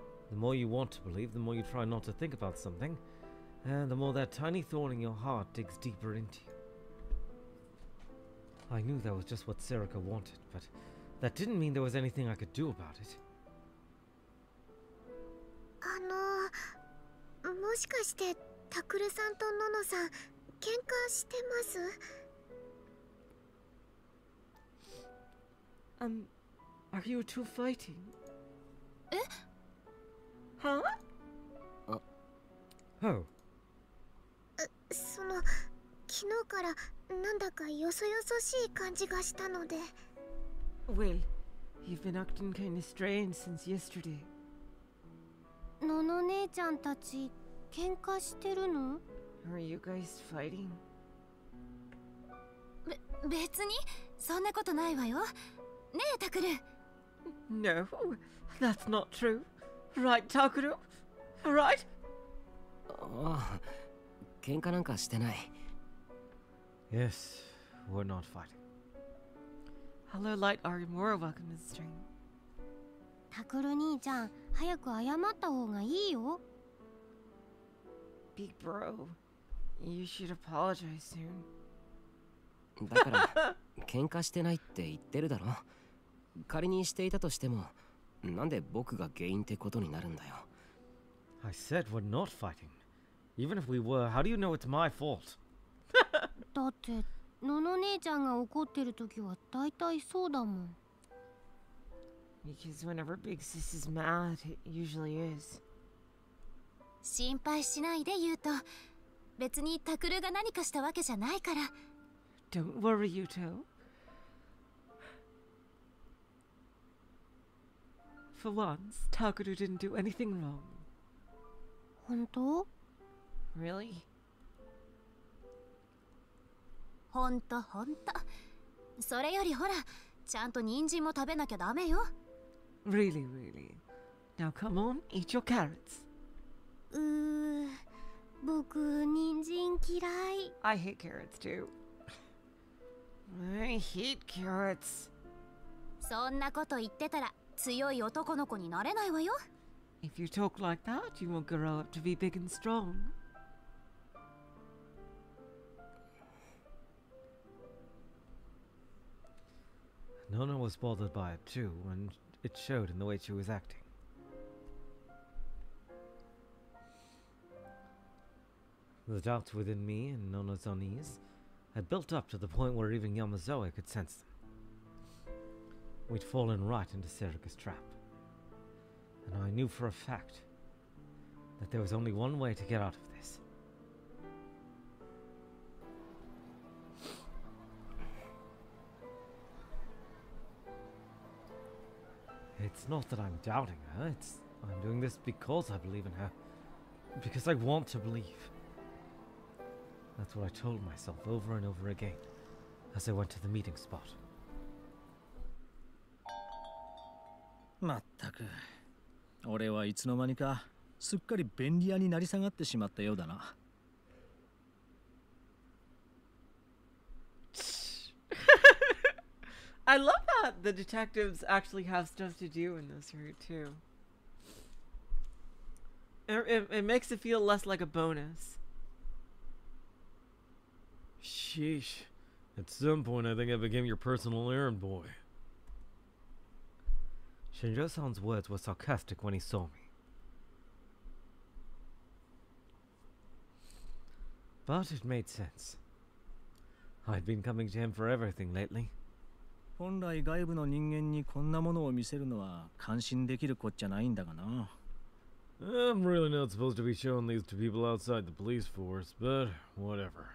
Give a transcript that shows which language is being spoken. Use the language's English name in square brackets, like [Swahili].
[English] The more you want to believe, the more you try not to think about something, and the more that tiny thorn in your heart digs deeper into you. I knew that was just what Serica wanted, but that didn't mean there was anything I could do about it. [Japanese] もしかして、タクルさんとノノさん、喧嘩してます？ [English] Are you two fighting? [Japanese] え？ [English] Huh? Oh. [Japanese] その、昨日からなんだかよそよそしい感じがしたので。 [English] Well, you've been acting kind of strange since yesterday. [Japanese] ノノ姉ちゃんたち、喧嘩してるの？ [English] Are you guys fighting? [Japanese] 別に、そんなことないわよ。ねえ、タクル。 [English] No, that's not true. Right, Takuru? Right? [Japanese] ああ、喧嘩なんかしてない。 [English] Yes, we're not fighting. Hello, Light Arim. You're welcome to the stream. [Japanese] タクル兄ちゃん、早く謝った方がいいよ。 [English] Big bro, you should apologize soon. [Japanese] だから、喧嘩してないって言ってるだろ。仮にしていたとしても、なんで僕が原因ってことになるんだよ。 [English] I said we're not fighting. Even if we were, how do you know it's my fault? [Japanese] だって、のの姉ちゃんが怒ってる時は大体そうだもん。 [English] Because whenever Big Sis is mad, it usually is. [Japanese] 心配しないで、ユウト。別にタクルが何かしたわけじゃないから。 [English] Don't worry, ユウト。 For once, Takuru didn't do anything wrong. [Japanese] 本当？ [English] Really? [Japanese] 本当、本当。それよりほら、ちゃんと人参も食べなきゃダメよ。 [English] Really, really. Now come on, eat your carrots. [Japanese] 僕、人参嫌い。 [English] I hate carrots too. I hate carrots. [Japanese] そんなこと言ってたら、強い男の子になれないわよ。 [English] If you talk like that, you won't grow up to be big and strong. Nono was bothered by it too, and it showed in the way she was acting. The doubts within me and Nono's unease had built up to the point where even Yamazoe could sense them. We'd fallen right into Serica's trap. And I knew for a fact that there was only one way to get out of this. It's not that I'm doubting her, it's I'm doing this because I believe in her. Because I want to believe. That's what I told myself over and over again as I went to the meeting spot. [Japanese] まったく、俺はいつの間にかすっかり便利屋になり下がってしまったようだな。 [English] I love that the detectives actually have stuff to do in this route too. It makes it feel less like a bonus. Sheesh. At some point, I think I became your personal errand boy. Shinjo-san's words were sarcastic when he saw me. But it made sense. I'd been coming to him for everything lately. [Japanese] 本来外部の人間にこんなものを見せるのは感心できるこっちゃないんだがな。 [English] I'm really not supposed to be showing these to people outside the police force, but whatever.